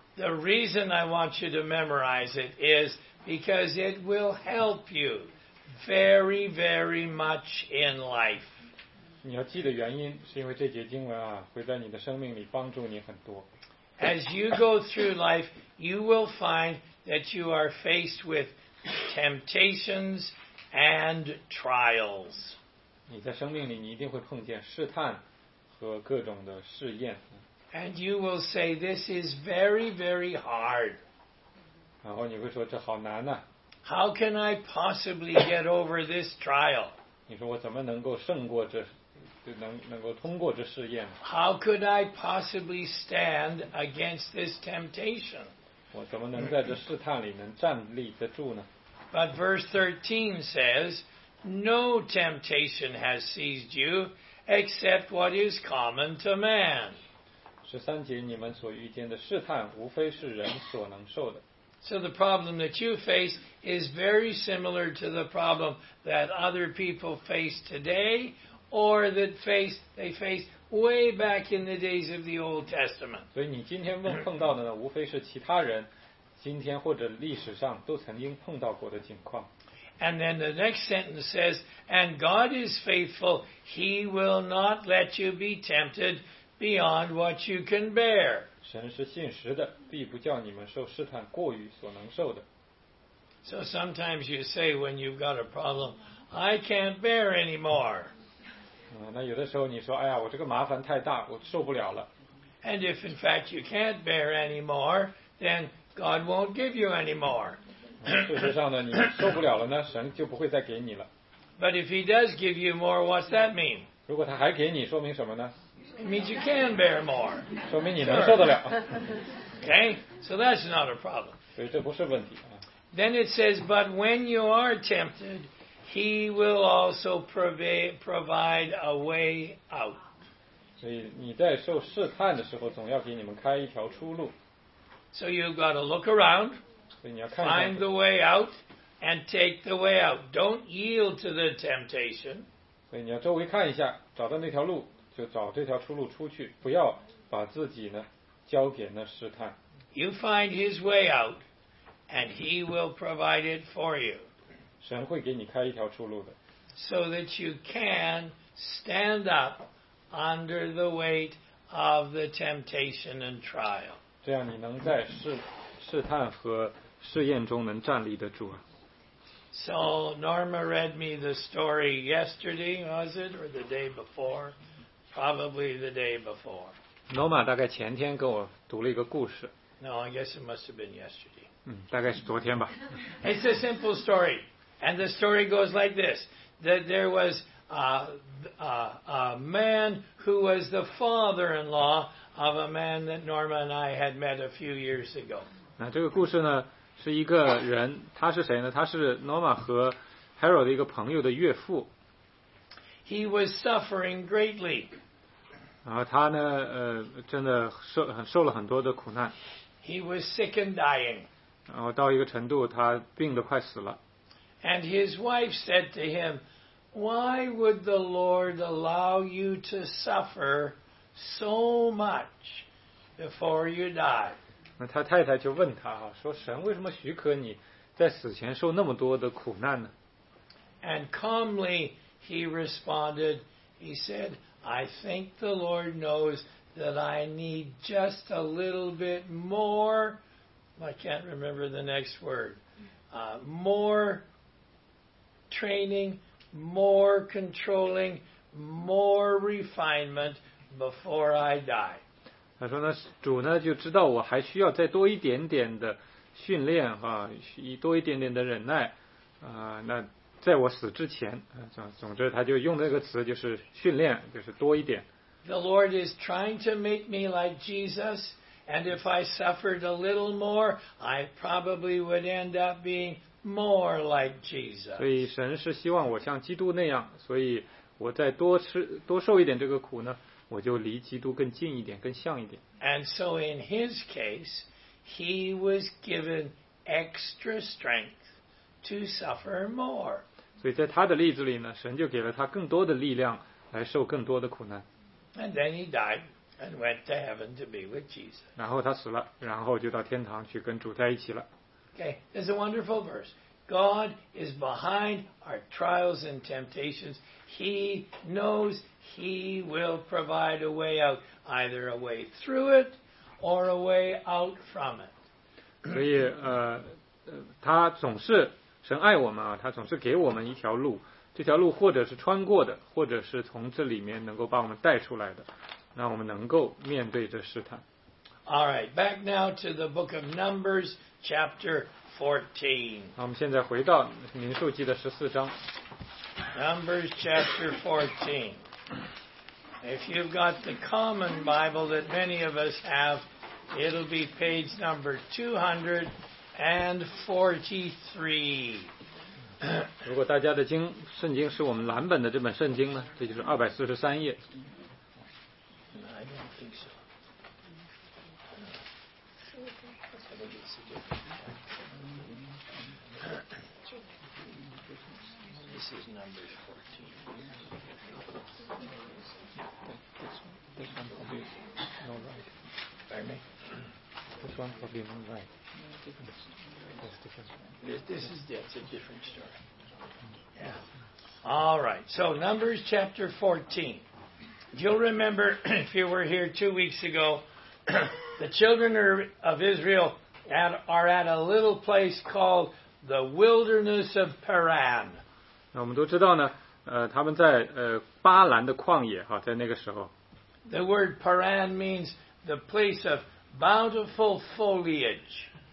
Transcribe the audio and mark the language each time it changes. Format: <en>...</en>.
<en>The reason I want you to memorize it is because it will help you very, very much in life.</en> <zh>你要记得原因是因为这节经文啊，会在你的生命里帮助你很多。</zh> <en>As you go through life, you will find that you are faced with temptations and trials.</en> <zh>你在生命里你一定会碰见试探和各种的试验。</zh> <en>And you will say, this is very, very hard.</en> <zh>然后你会说这好难啊。</zh> <en>How can I possibly get over this trial?</en> <zh>你说我怎么能够胜过这能够通过这试验。</zh> <en>How could I possibly stand against this temptation?</en> <zh>我怎么能在这试探里能站立得住呢？</zh> <en>But verse 13 says,No temptation has seized you except what is common to man.</en> <zh>十三节，你们所遇见的试探，无非是人所能受的。</zh> <en>So the problem that you face is very similar to the problem that other people face today, or that they face way back in the days of the Old Testament.</en> <zh>所以你今天碰到的呢，无非是其他人今天或者历史上都曾经碰到过的情况。</zh> <en>And then the next sentence says, And God is faithful, He will not let you be tempted beyond what you can bear.</en> <zh>神是信实的，必不叫你们受试探过于所能受的。</zh> <en>So sometimes you say when you've got a problem, I can't bear anymore.</en> <zh>那有的时候你说，哎呀，我这个麻烦太大，我受不了了。</zh> <en>And if in fact you can't bear anymore, then God won't give you anymore.</en> <zh>事实上呢，你受不了了呢，神就不会再给你了。</zh> <en>But if he does give you more, what's that mean?</en> <zh>如果他还给你，说明什么呢？</zh> <en>It means you can bear more.</en> <zh>说明你能受得了。</zh> <en>Okay, so that's not a problem.</en> <zh>所以这不是问题。</zh> <en>Then it says, but when you are tempted, he will also provide a way out.</en> <zh>所以你在受试探的时候，总要给你们开一条出路。</zh> <en>So you've got to look around, find the way out, and take the way out. Don't yield to the temptation.</en> <zh>所以你要周围看一下，找到那条路。就找这条出路出去，不要把自己呢交给那试探。</zh> <en>You find his way out, and he will provide it for you.</en> <zh>神会给你开一条出路的。</zh> <en>So that you can stand up under the weight of the temptation and trial.</en> <zh>这样你能在试探和试验中能站立得住啊。</zh> <en>So Norma read me the story yesterday, was it, or the day before? Probably the day before.</en> <zh>Norma 大概前天跟我读了一个故事。</zh> <en>No, I guess it must have been yesterday.</en> <zh>大概是昨天吧。</zh> <en>It's a simple story. And the story goes like this. That there was a man who was the father-in-law of a man that Norma and I had met a few years ago.</en> <zh>那这个故事呢是一个人，他是谁呢？他是 Norma 和 Harold 的一个朋友的岳父。</zh> <en>He was suffering greatly.</en> <zh>然后他呢，真的受了很多的苦难。</zh> <en>He was sick and dying.</en> <zh>然后到一个程度，他病得快死了。</zh> <en>And his wife said to him, "Why would the Lord allow you to suffer so much before you die?"</en> <zh>那他太太就问他说神为什么许可你在死前受那么多的苦难呢？</zh> <en>And calmly. He responded, he said, I think the Lord knows that I need just a little bit more, I can't remember the next word, more training, more controlling, more refinement before I die.</en> <zh>他说呢，主呢就知道我还需要再多一点点的训练啊，多一点点的忍耐啊，那在我死之前，总之他就用那个词就是训练，就是多一点。</zh> <en>The Lord is trying to make me like Jesus, and if I suffered a little more, I probably would end up being more like Jesus.</en> <zh>所以神是希望我像基督那样，所以我再多受一点这个苦呢，我就离基督更近一点，更像一点。</zh> <en>And so in his case, he was given extra strength. To suffer more.</en> <zh>所以在他的例子里呢，神就给了他更多的力量来受更多的苦难。</zh> <en>And then he died and went to heaven to be with Jesus.</en> <zh>然后他死了，然后就到天堂去跟主在一起了。</zh> <en>Okay, there's a wonderful verse. God is behind our trials and temptations. He knows he will provide a way out, either a way through it or a way out from it.</en> <zh>所以他总是神爱我们啊，他总是给我们一条路，这条路或者是穿过的，或者是从这里面能够把我们带出来的，那我们能够面对这试探。</zh> <en>All right, back now to the book of Numbers, chapter 14.</en> <zh>好，我们现在回到民数记的十四章。</zh> <en>Numbers chapter 14. If you've got the common Bible that many of us have, it'll be page number 200. And 43.</en> <zh>如果大家的经圣经是我们蓝本的这本圣经呢，这就是243页。</zh> <en>I don't think so. This is number 14. This one probably not right. Pardon me? This one probably not right. It's a different story. Yeah. All right. So Numbers chapter 14. You'll remember if you were here 2 weeks ago, the children of Israel are at a little place called the wilderness of Paran.</en> <zh>那我们都知道呢，他们在巴兰的旷野哈，在那个时候。</zh> <en>The word Paran means the place of bountiful foliage.</en>